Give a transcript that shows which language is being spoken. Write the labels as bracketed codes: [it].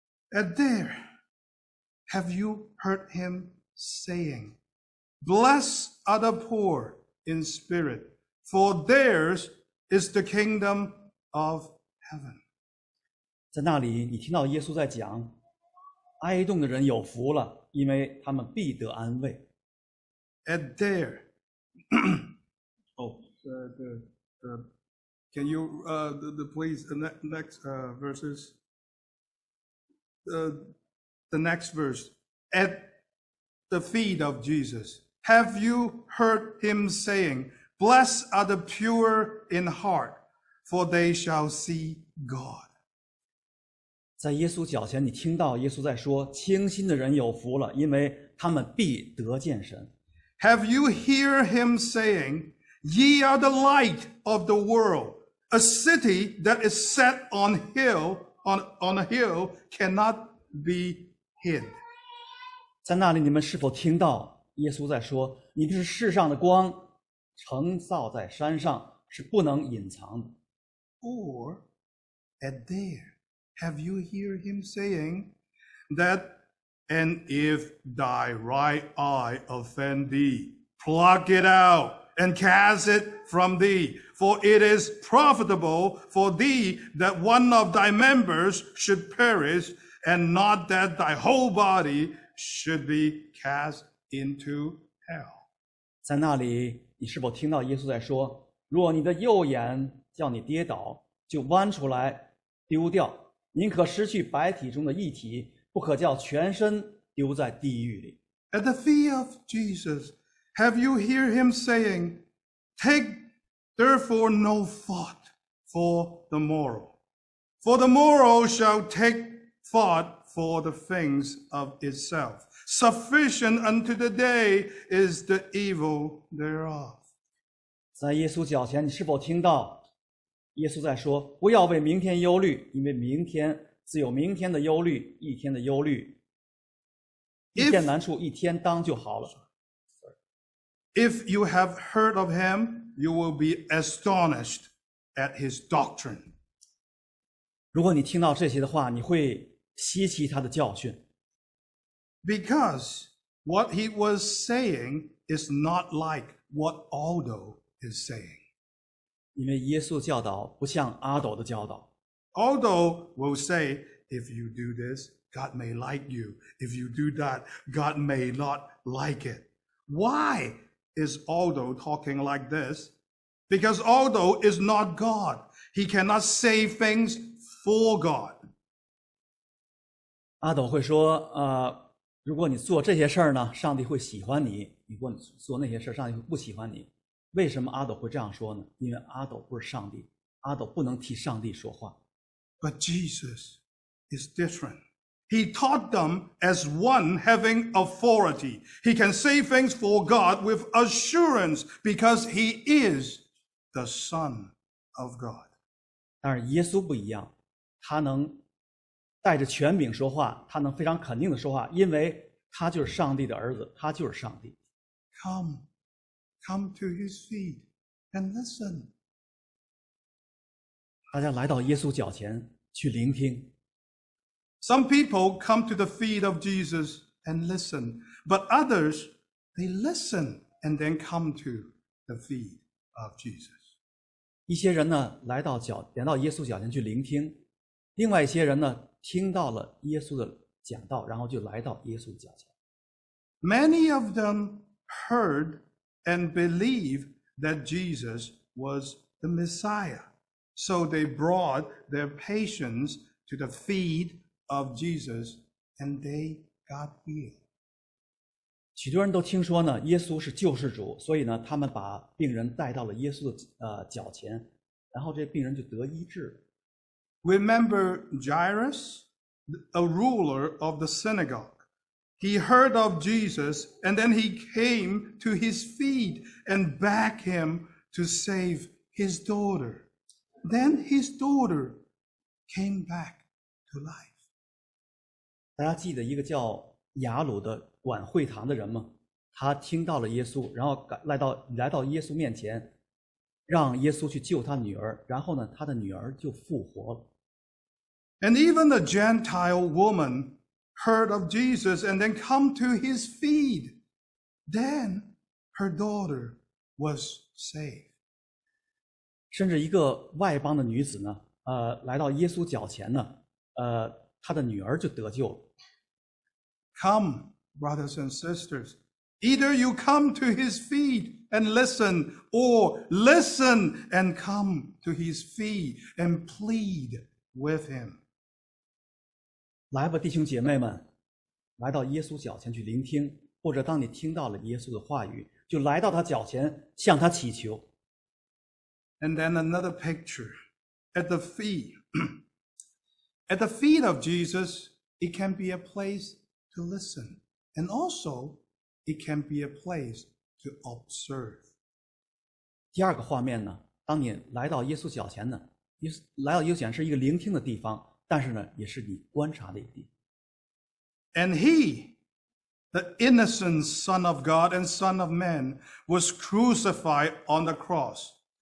[en] And there have you heard him saying, Bless are the poor in spirit. For theirs is the kingdom of heaven. [zh] 在那里你听到耶稣在讲，哀恸的人有福了，因为他们必得安慰。 [en] And there, can you, please, the next verses? The next verse. At the feet of Jesus, have you heard him saying,Blessed are the pure in heart, for they shall see God. [zh] 在耶稣脚前，你听到耶稣在说：“清心的人有福了，因为他们必得见神。” [en] Have you hear him saying, "Ye are the light of the world. A city that is set on hill on a hill cannot be hid." [zh] 在那里，你们是否听到耶稣在说：“你们是世上的光。” 城造在山上是不能隐藏的。 [en] Or, at there, have you hear him saying that, and if thy right eye offend thee, pluck it out and cast it from thee, for it is profitable for thee that one of thy members should perish, and not that thy whole body should be cast into hell. [zh] 在那里你是否听到耶稣在说，若你的右眼叫你跌倒，就弯出来丢掉，宁可失去白体中的一体，不可叫全身丢在地狱里。 [en] At the feet of Jesus, have you hear him saying, Take therefore no thought for the morrow, for the morrow shall take thought for the things of itself. Sufficient unto the day is the evil thereof. [zh] 在耶稣脚前，你是否听到耶稣在说，不要为明天忧虑，因为明天自有明天的忧虑，一天的忧虑，一天难处一天当就好了。 [en] If you have heard of him, you will be astonished at his doctrine. [zh] 如果你听到这些的话，你会稀奇他的教训。 [en] Because what he was saying is not like what Aldo is saying. [zh] 因为耶稣教导不像阿斗的教导。 [en] Aldo will say, if you do this, God may like you. If you do that, God may not like it. Why is Aldo talking like this? Because Aldo is not God. He cannot say things for God. [zh] 阿斗会说如果你做这些事儿呢，上帝会喜欢你；如果你做那些事儿，上帝会不喜欢你。为什么阿斗会这样说呢？因为阿斗不是上帝，阿斗不能替上帝说话。 [en] But Jesus is different. He taught them as one having authority. He can say things for God with assurance because he is the Son of God. [zh] 但是耶稣不一样，他能带着权柄说话，他能非常肯定的说话，因为他就是上帝的儿子，他就是上帝。 [en] Come to his feet and listen. [zh] 大家来到耶稣脚前去聆听。 [en] Some people come to the feet of Jesus and listen, but others, they listen and then come to the feet of Jesus. [zh] 一些人呢，来到耶稣脚前去聆听，另外一些人呢，听到了耶稣的讲道，然后就来到耶稣的脚前。 [en] Many of them heard and believed that Jesus was the Messiah, so they brought their patients to the feet of Jesus, and they got healed. [zh] 许多人都听说呢，耶稣是救世主，所以呢，他们把病人带到了耶稣的脚前，然后这病人就得医治了。 [en] Remember Jairus, a ruler of the synagogue. He heard of Jesus, and then he came to his feet and begged him to save his daughter. Then his daughter came back to life. [zh] 大家记得一个叫雅鲁的管会堂的人吗？他听到了耶稣，然后来到耶稣面前，让耶稣去救他女儿，然后呢，他的女儿就复活了。 [en] And even a Gentile woman heard of Jesus and then come to his feet. Then her daughter was saved. [zh] 甚至一个外邦的女子呢，来到耶稣脚前呢，她的女儿就得救了。 [en] Come, brothers and sisters. Either you come to his feet and listen, or listen and come to his feet and plead with him. [zh] 来吧，弟兄姐妹们，来到耶稣脚前去聆听，或者当你听到了耶稣的话语，就来到他脚前向他祈求。 [en] And then another picture, at the feet of Jesus, it can be a place to listen, and also it can be a place to observe. [zh] 第二个画面呢，当你来到耶稣脚前呢，来到耶稣脚前是一个聆听的地方。但是呢，也是你观察的一地。 [en] And he, the innocent Son of God and Son of Man, was crucified on the cross.